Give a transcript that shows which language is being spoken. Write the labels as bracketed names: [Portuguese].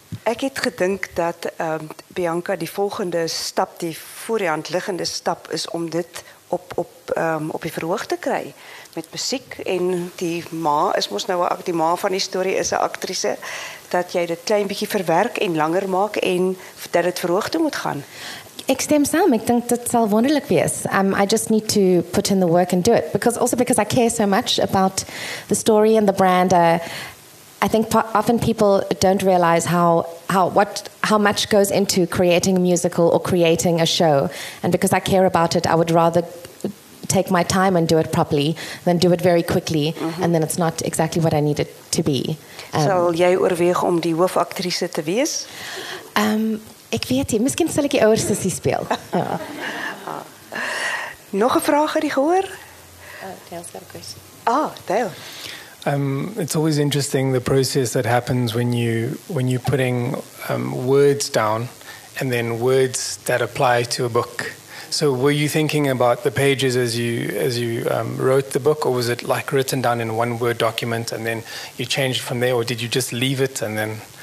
[Afrikaans] Ek het gedink dat Bianca, die volgende stap, die voor die hand liggende stap, is om dit op die verhoog te kry, met muziek. En die ma, is mos nou, die ma van die story is 'n actrice, dat jy dit klein bietjie verwerk en langer maak, en dat het verhoog toe moet gaan. Ek stem saam, ek dink dit sal wonderlik wees. [English] I just need to put in the work and do it. Because I care so much about the story and the brand. I think often people don't realize how much goes into creating a musical or creating a show. And because I care about it, I would rather take my time and do it properly than do it very quickly. Mm-hmm. And then it's not exactly what I need it to be. [Afrikaans] Sal jy oorweeg om die hoofaktrise te wees? Ek weet nie, miskien sal ek die ouer sussie speel. Ja. Nog 'n vraag aan die gehoor? [English] Tel's got a question. Ah, Tel. It's always interesting the process that happens when you're putting words down and then words that apply to a book. So were you thinking about the pages as you wrote the book, or was it like written down in one word document and then you changed from there, or did you just leave it and then?